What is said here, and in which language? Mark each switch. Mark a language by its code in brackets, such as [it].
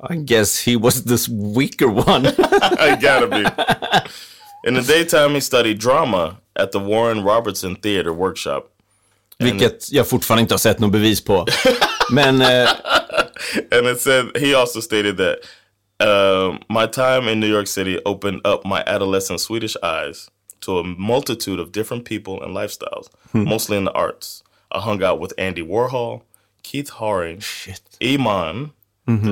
[en] I guess he was this weaker one. I gotta be. In the daytime, he studied drama at the Warren Robertson Theater Workshop. [sv] Vilket jag fortfarande inte har sett något bevis på. Men, [en] and it said, he also stated that, my time in New York City opened up my adolescent Swedish eyes to a multitude of different people and lifestyles, hmm. mostly in the arts. I hung out with Andy Warhol, Keith Haring, Iman, mm-hmm.